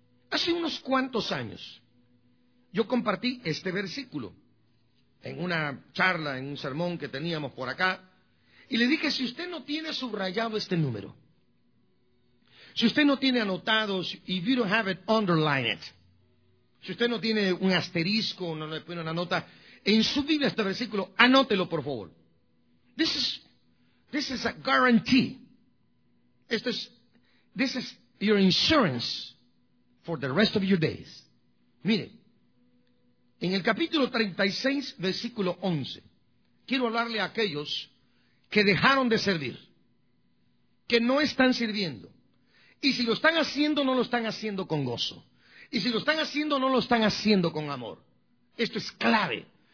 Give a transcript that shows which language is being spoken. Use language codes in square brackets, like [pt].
[es] Hace unos cuantos años yo compartí este versículo en una charla, en un sermón que teníamos por acá, y le dije, si usted no tiene subrayado este número, si usted no tiene anotados, [en] if you don't have it, underline it. [es] Si usted no tiene un asterisco, no le pone una nota, en su Biblia este versículo, anótelo por favor. [en] This is a guarantee. This is your insurance for the rest of your days. [es] Mire, En el capítulo 36, versículo 11, quiero hablarle a aquellos que dejaron de servir, que no están sirviendo. Y si lo están haciendo, no lo están haciendo con gozo. Y si lo están haciendo, no lo están haciendo con amor. Esto es clave.